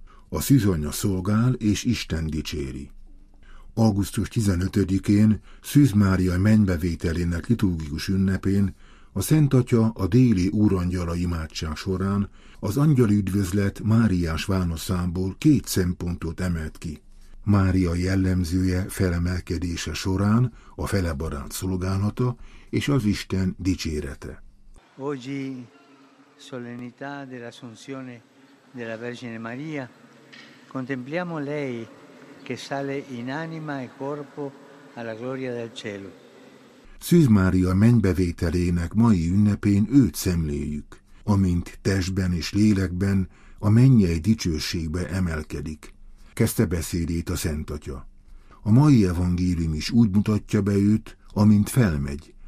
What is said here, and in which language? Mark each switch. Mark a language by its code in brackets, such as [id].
[hu] A szűzanya szolgál és Isten dicséri. Augusztus 15-én, Szűz Mária mennybevételének liturgikus ünnepén, a Szent Atya a déli úrangyala imádság során az angyali üdvözlet Máriás válaszából két szempontot emelt ki. Mária jellemzője felemelkedése során a felebarát szolgálata és az Isten dicsérete. Ogyi. [it] Solennità dell'Assunzione della Vergine Maria. Contempliamo lei che sale in anima e corpo alla gloria del cielo. [hu] Szűz Mária mennybevételének mai ünnepén őt szemléljük, amint testben és lélekben a mennyei dicsőségbe emelkedik. Kezdte beszédét a Szent Atya. A mai evangélium is úgy mutatja be őt, amint felmegy.